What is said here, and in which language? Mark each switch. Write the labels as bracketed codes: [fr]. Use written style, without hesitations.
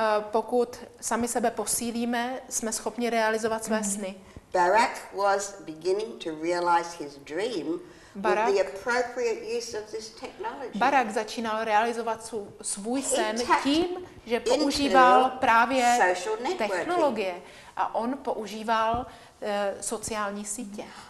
[cs] Pokud sami sebe posílíme, jsme schopni realizovat své sny. [en] Barack was beginning to realize his dream with the appropriate use of this technology. [cs] Barack začínal realizovat svůj sen tím, že používal právě technologie a on používal sociální sítě.